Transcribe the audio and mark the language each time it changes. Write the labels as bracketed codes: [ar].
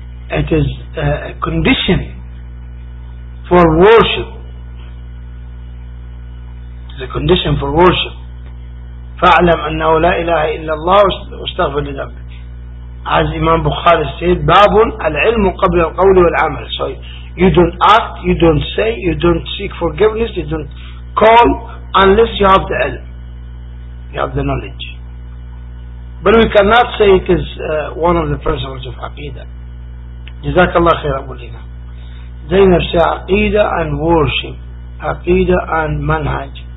[en] It is a condition for worship. It's a condition for worship. [ar] فَعْلَمْ أَنَّهُ لَا إِلَهَ إِلَّا اللَّهُ وَاسْتَغْفِرْ لِذَنْبِكَ. [en] As Imam Bukhari said, [ar] بَابٌ الْعِلْمُ قَبْلَ الْقَوْلِ وَالْعَمَلِ. [en] So you don't act, you don't say, you don't seek forgiveness, you don't call unless you have the ilm, you have the knowledge. But we cannot say it is one of the principles of Aqeedah. Jazakallah khair, Abu Lina. Zainab said Aqeedah and worship, Aqeedah and manhaj,